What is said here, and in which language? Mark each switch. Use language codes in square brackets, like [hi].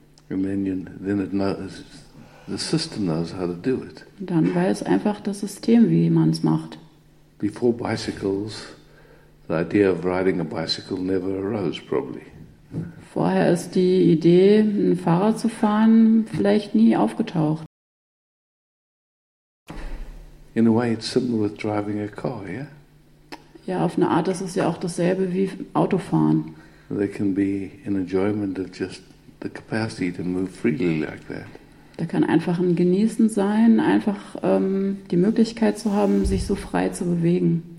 [en] And then it knows. the system knows how to do it. [de] Dann weiß einfach das System, wie man es macht. [en] Before bicycles, the idea of riding a bicycle never arose, probably. [de] Vorher ist die Idee, ein Fahrrad zu fahren, vielleicht nie aufgetaucht. [en] In a way, it's similar with driving a car, yeah? [de] Ja, auf eine Art, das ist ja auch dasselbe wie Autofahren. [en] There can be an enjoyment of just the capacity to move freely like that. [de] Da kann einfach ein Genießen sein, einfach die Möglichkeit zu haben, sich so frei zu bewegen.